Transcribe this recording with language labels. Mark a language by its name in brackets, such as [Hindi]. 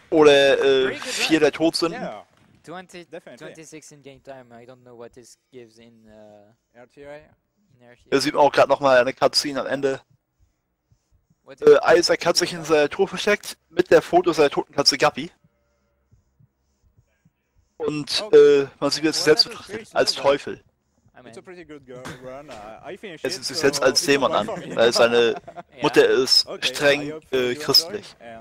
[German] Oder vier der Todsünden. [English] 26 in game time, I don't know what this gives in RTI. [German] Er sieht auch gerade nochmal eine Cutscene am Ende. Isaac hat sich in seiner Truhe versteckt mit der Foto seiner toten Katze Guppy. Und man sieht jetzt selbst betrachtet als Teufel. Er sieht sich selbst als Dämon an, weil seine Mutter ist streng christlich.